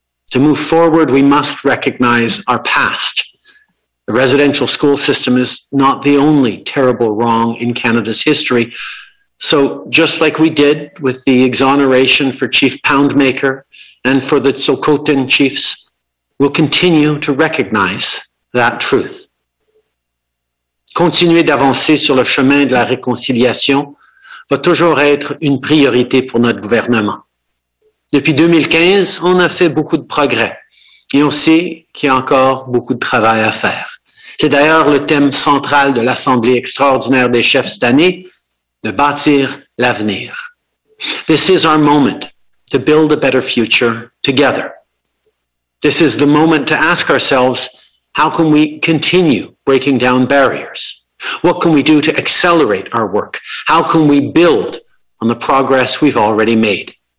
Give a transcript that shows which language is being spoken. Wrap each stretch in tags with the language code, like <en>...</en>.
<en>To move forward, we must recognize our past. The residential school system is not the only terrible wrong in Canada's history. So just like we did with the exoneration for Chief Poundmaker and for the Tsokotin chiefs, we'll continue to recognize that truth.</en> <fr>Continuer d'avancer sur le chemin de la réconciliation va toujours être une priorité pour notre gouvernement. Depuis 2015, on a fait beaucoup de progrès et on sait qu'il y a encore beaucoup de travail à faire. C'est d'ailleurs le thème central de l'Assemblée extraordinaire des chefs cette année, de bâtir l'avenir.</fr> <en>This is our moment to build a better future together. This is the moment to ask ourselves, how can we continue breaking down barriers? What can we do to accelerate our work? How can we build on the progress we've already made?</en>